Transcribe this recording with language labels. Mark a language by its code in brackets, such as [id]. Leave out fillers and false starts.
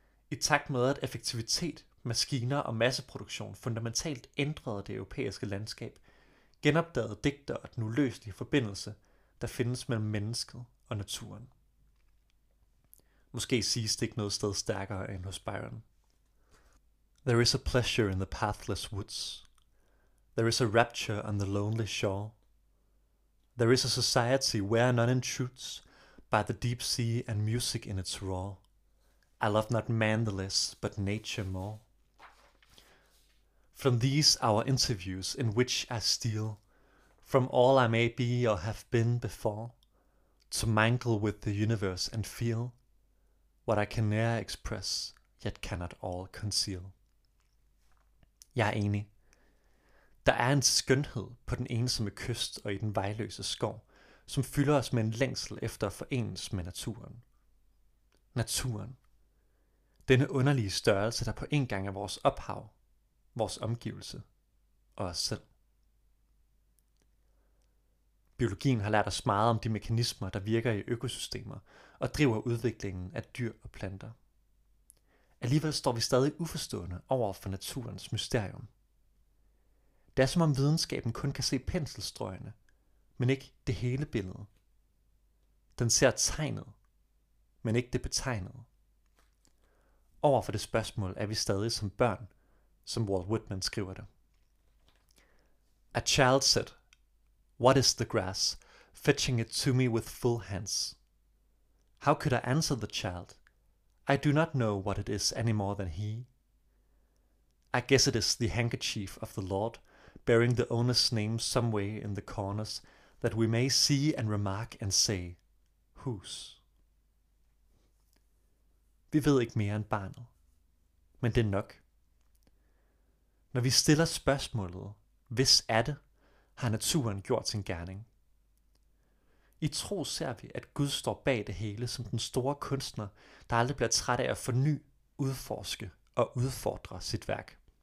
[da] I takt med, at effektivitet, maskiner og masseproduktion fundamentalt ændrede det europæiske landskab, genopdagede digter den uløselige forbindelse, der findes mellem mennesket og naturen. Måske siges det ikke noget sted stærkere end hos Byron. [en] There is a pleasure in the pathless woods. There is a rapture on the lonely shore. There is a society where none intrudes by the deep sea and music in its roar. I love not man the less, but nature more. From these our interviews in which I steal from all I may be or have been before to mingle with the universe and feel what I can ne'er express, yet cannot all conceal. [da] Jeg er enig. Der er en skønhed på den ensomme kyst og i den vejløse skov, som fylder os med en længsel efter at forenes med naturen. Naturen. Denne underlige størrelse, der på en gang er vores ophav, vores omgivelse og os selv. Biologien har lært os meget om de mekanismer, der virker i økosystemer og driver udviklingen af dyr og planter. Alligevel står vi stadig uforstående over for naturens mysterium. Det er som om videnskaben kun kan se penselstrøgene, men ikke det hele billede. Den ser tegnet, men ikke det betegnede. Over for det spørgsmål er vi stadig som børn, som Walt Whitman skriver det. [en] A child said, "What is the grass? Fetching it to me with full hands." How could I answer the child? I do not know what it is any more than he. I guess it is the handkerchief of the Lord, bearing the owner's name some way in the corners, that we may see and remark and say, whose? [da] Vi ved ikke mere end barnet. Men det er nok. Når vi stiller spørgsmålet, hvis er det, har naturen gjort sin gerning. I tro ser vi, at Gud står bag det hele som den store kunstner, der aldrig bliver træt af at forny, udforske og udfordre sit værk.